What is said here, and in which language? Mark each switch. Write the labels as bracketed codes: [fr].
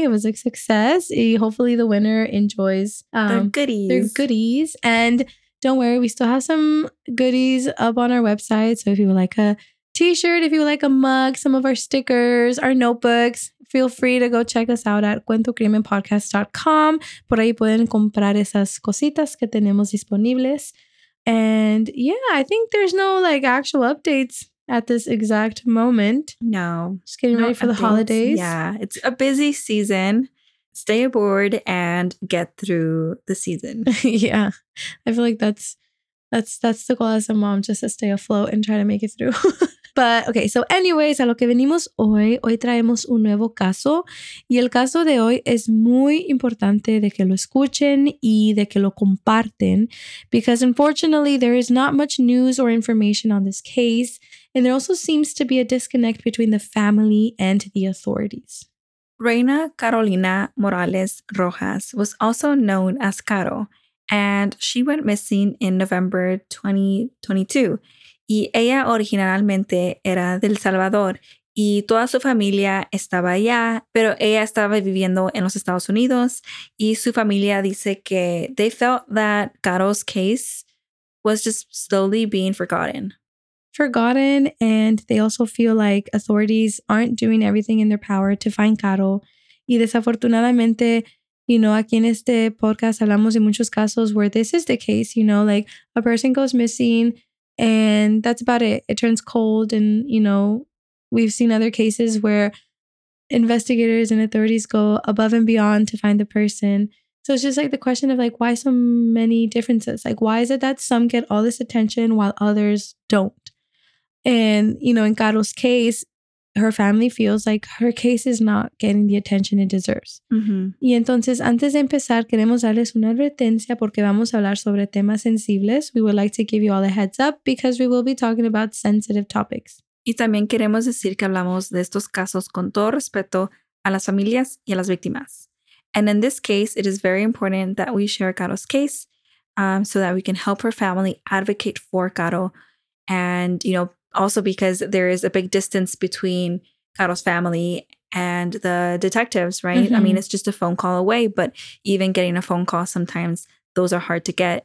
[en] It was a success. Hopefully, the winner enjoys their goodies. And don't worry, we still have some goodies up on our website. So if you would like a t-shirt, if you would like a mug, some of our stickers, our notebooks, feel free to go check us out at cuentocrimenpodcast.com. [es] Por ahí pueden comprar esas cositas que tenemos disponibles. [en] And yeah, I think there's no like actual updates at this exact moment. No. Just getting ready for the holidays. Yeah, it's a busy season. Stay aboard and get through the season. Yeah, I feel like that's the goal as a mom, just to stay afloat and try to make it through. But okay, so anyways, [es] a lo que venimos hoy traemos un nuevo caso. Y el caso de hoy es muy importante de que lo escuchen y de que lo comparten. [en] Because unfortunately, there is not much news or information on this case. And there also seems to be a disconnect between the family and the authorities. Reina Carolina Morales Rojas was also known as Caro. And she went missing in November 2022. [es] Y ella originalmente era de El Salvador y toda su familia estaba allá, pero ella estaba viviendo en los Estados Unidos y su familia dice que [en] they felt that Caro's case was just slowly being forgotten. Forgotten, and they also feel like authorities aren't doing everything in their power to find Caro. [es] Y desafortunadamente, [en] you know, [es] aquí en este podcast hablamos de muchos casos [en] where this is the case, you know, like a person goes missing. And that's about it. It turns cold. And, you know, we've seen other cases where investigators and authorities go above and beyond to find the person. So it's just like the question of like, why so many differences? Like, why is it that some get all this attention while others don't? And, you know, in Caro's case, her family feels like her case is not getting the attention it deserves. Mm-hmm. [es] Y entonces, antes de empezar, queremos darles una advertencia porque vamos a hablar sobre temas sensibles. [en] We would like to give you all a heads up because we will be talking about sensitive topics. [es] Y también queremos decir que hablamos de estos casos con todo respeto a las familias y a las víctimas. [en] And in this case, it is very important that we share Caro's case so that we can help her family advocate for Caro and, you know, also because there is a big distance between Caro's family and the detectives, right? Mm-hmm. I mean, it's just a phone call away, but even getting a phone call, sometimes those are hard to get.